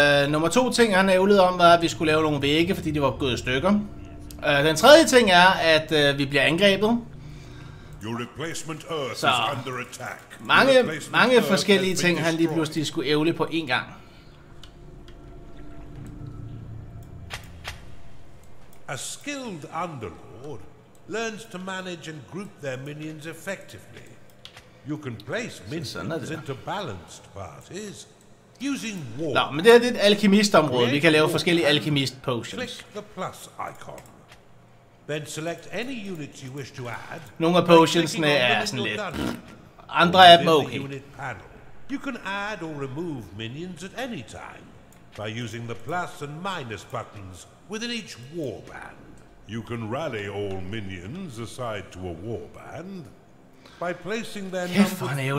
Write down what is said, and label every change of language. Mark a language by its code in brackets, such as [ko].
[da] Nummer to ting, han ævlede om, var, at vi skulle lave nogle vægge, fordi de var gået i stykker. Den tredje ting er, at vi bliver angrebet. [en] Your replacement earth is under attack. [da] Mange forskellige ting, han lige pludselig skulle ævle på en gang. [en] A skilled underlord learns to manage and group their minions effectively. You can place minions into balanced parties using war. [da] Nå, men det er et alkemistområde. Vi kan lave forskellige alkemist potions. [en] Click the plus icon. Then select any units you wish to add. [da] Nogle af potionsne er sådan lidt. Andre er okay. [en] You can add or remove minions at any time by using the plus and minus buttons within each warband. You can rally all minions assigned to a warband by placing their